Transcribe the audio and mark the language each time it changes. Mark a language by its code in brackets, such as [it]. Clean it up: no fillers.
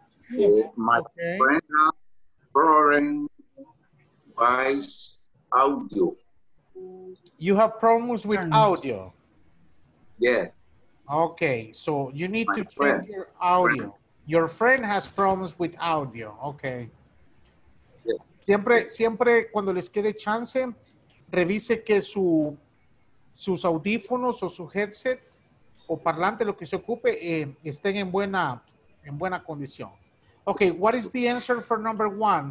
[en] Yes. My friend, problem with audio. You have problems with audio? Yeah. Okay, so you need to change your audio. Your friend has problems with audio. Okay. Yeah. [es] Siempre, siempre cuando les quede chance, revise que sus audífonos o su headset o parlante, lo que se ocupe, estén en buena condición. [en] Okay, what is the answer for number one?